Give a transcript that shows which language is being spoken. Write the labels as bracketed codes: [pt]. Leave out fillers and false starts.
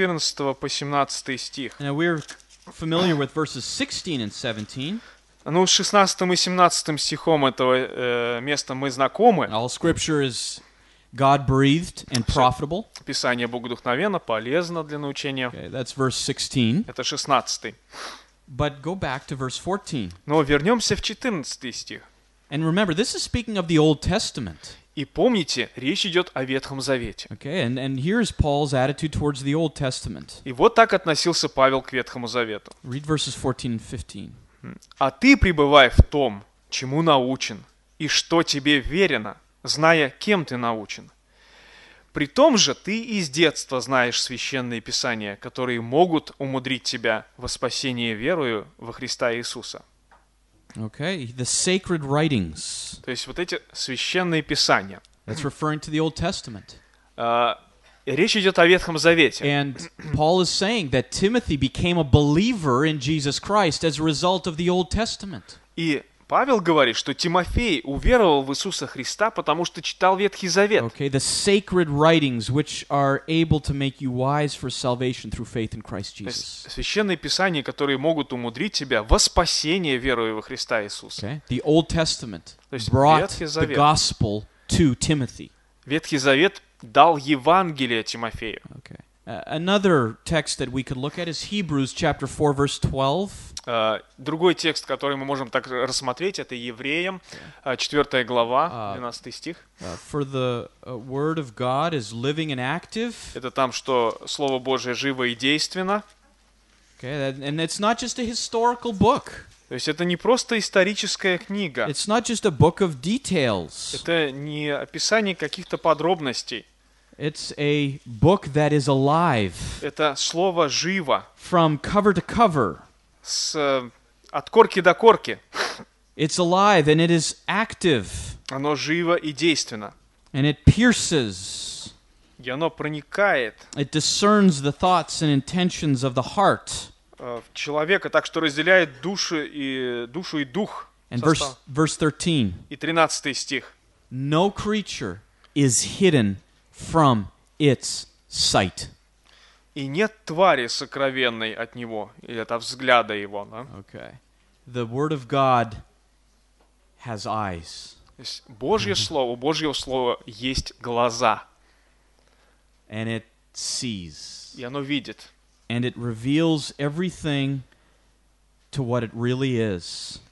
[en] Now we're familiar with verses 16 and 17. [ru] Ну, с 16 и 17 стихом этого места мы знакомы. [en] All scripture is God-breathed and profitable. [ru] Писание богодухновенно, полезно для научения. [en] Okay, that's verse 16. [ru] Это 16. [en] But go back to verse 14. [ru] Но вернемся в 14 стих. [en] And remember, this is speaking of the Old Testament. [ru] И помните, речь идет о Ветхом Завете. [en] Okay, and here's Paul's attitude towards the Old Testament. [ru] И вот так относился Павел к Ветхому Завету. [en] Read verses 14 and 15. [ru] А ты пребывай в том, чему научен, и что тебе верено, зная, кем ты научен. Притом же ты из детства знаешь священные писания, которые могут умудрить тебя во спасение верою во Христа Иисуса. [en] Okay, the sacred writings. [ru] То есть вот эти священные писания. [en] That's referring to the Old Testament. [ru] Речь идет о Ветхом Завете. [en] And Paul is saying that Timothy became a believer in Jesus Christ as a result of the Old Testament. [ru] И Павел говорит, что Тимофей уверовал в Иисуса Христа, потому что читал Ветхий Завет. [en] Okay, the sacred writings, which are able to make you wise for salvation through faith in Christ Jesus. [ru] Священные писания, которые могут умудрить тебя во спасение верою во Христа Иисуса. [en] Okay, the Old Testament brought the gospel to Timothy. [ru] Ветхий Завет дал Евангелие Тимофею. [en] Okay. Another text that we could look at is Hebrews chapter 4, verse 12. [ru] Другой текст, который мы можем так рассмотреть, это Евреям, 4 глава, 12 стих. [en] For the word of God is living and active. [ru] Это там, что Слово Божие живо и действенно. [en] Okay, and it's not just a historical book. [ru] То есть это не просто историческая книга. [en] It's not just a book of details. [ru] Это не описание каких-то подробностей. [en] It's a book that is alive. [ru] Это слово живо. [en] From cover to cover. [ru] С от корки до корки. [en] It's alive and it is active. [ru] Оно живо и действенно. [en] And it pierces. [ru] И оно проникает. [en] It discerns the thoughts and intentions of the heart. [ru] Человека, так что разделяет душу и дух. [en] And verse 13. [ru] И 13 стих. [en] No creature is hidden from its sight. [ru] И нет твари сокровенной от него, или от взгляда его. Да? [en] Okay. The word of God has eyes. [ru] Божье слово, у Божьего слова есть глаза. [en] And it sees. [ru] И оно видит. [en] And it reveals everything to what it really is.